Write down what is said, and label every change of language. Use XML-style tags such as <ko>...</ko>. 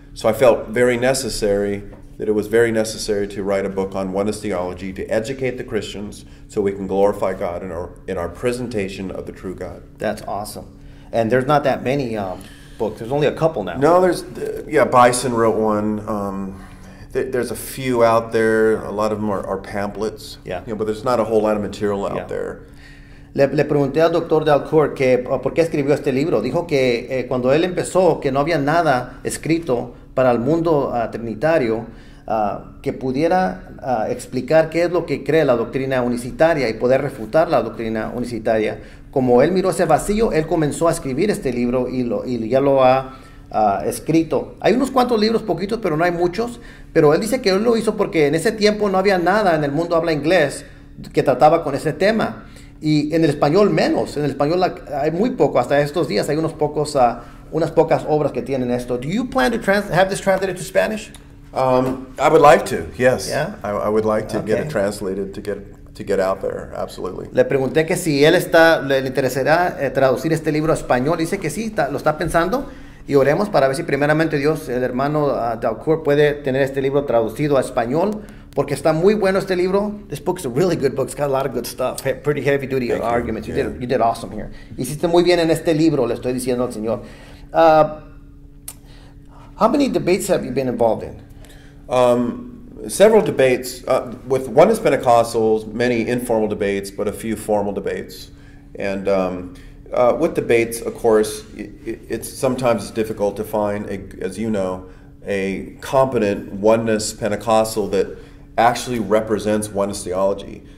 <en>So I felt very necessary to write a book on oneness theology to educate the Christians so we can glorify God in our presentation of the true God. That's awesome. And there's not that many books. There's only a couple now. No, there's, Bison wrote one. There's a few out there. A lot of them are pamphlets. Yeah. You know, but there's not a whole lot of material out there.</en> <es>Le pregunté al Dr. Dalcour que por qué escribió este libro. Dijo que cuando él empezó, que no había nada escrito para el mundo trinitario que pudiera explicar qué es lo que cree la doctrina unicitaria y poder refutar la doctrina unicitaria. Como él miró ese vacío, él comenzó a escribir este libro y ya lo ha escrito. Hay unos cuantos libros, poquitos, pero no hay muchos. Pero él dice que él lo hizo porque en ese tiempo no había nada en el mundo habla inglés que trataba con ese tema. Y en el español menos. En el español hay muy poco. Hasta estos días hay unos pocos unas pocas obras que tienen esto.</es> <en>Do you plan to have this translated to Spanish? I would like to, yes. Yeah? I would like to get it translated, to get out there, absolutely.</en> <es>Le pregunté que si él está, le interesará traducir este libro a español. Dice que sí, lo está pensando. Y oremos para ver si primeramente Dios, el hermano Dalcour, puede tener este libro traducido a español. Porque está muy bueno este libro.</es> <en>This book's a really good book. It's got a lot of good stuff. Pretty heavy duty arguments. You, yeah. you did awesome here.</en> <es>Hiciste muy bien en este libro, le estoy diciendo al Señor.</es> <en>How many debates have you been involved in? Several debates. With Oneness Pentecostals, many informal debates, but a few formal debates. And with debates, of course, it's sometimes difficult to find, as you know, a competent Oneness Pentecostal that actually represents Oneness theology.</en>